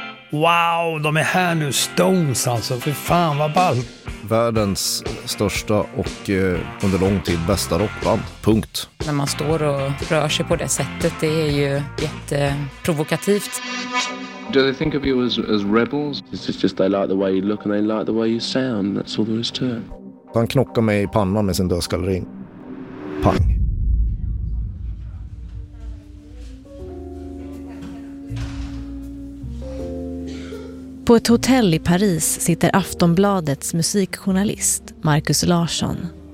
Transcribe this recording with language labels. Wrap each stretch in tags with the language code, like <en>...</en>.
<sv>Wow, de är här nu, Stones alltså. För fan vad ballt. Världens största och under lång tid bästa rockband. Punkt. När man står och rör sig på det sättet, det är ju jätteprovokativt.</sv> <en>Do they think of you as rebels? It's just they like the way you look and they like the way you sound. That's all there is to it.</en> <sv>Han knockar mig i pannan med sin dödskallring. Pang. På ett hotell i Paris sitter Aftonbladets musikjournalist Marcus Larsson.</sv>